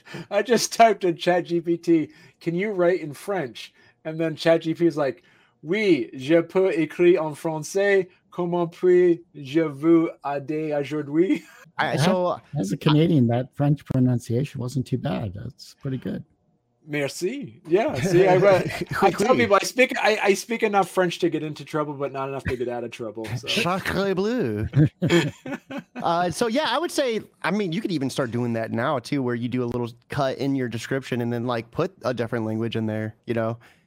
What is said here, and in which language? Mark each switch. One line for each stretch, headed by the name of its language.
English: I just typed in ChatGPT, can you write in French? And then ChatGPT is like,
French: oui, je peux écrire en français. Comment puis-je vous aider aujourd'hui?
English: As a Canadian, that French pronunciation wasn't too bad. That's pretty good.
French: Merci. Yeah.
English: See, I tell people I speak enough French to get into trouble, but not enough to get out of trouble.
French: Sacré bleu.
English: I would say, I mean, you could even start doing that now too, where you do a little cut in your description and then like put a different language in there, you know.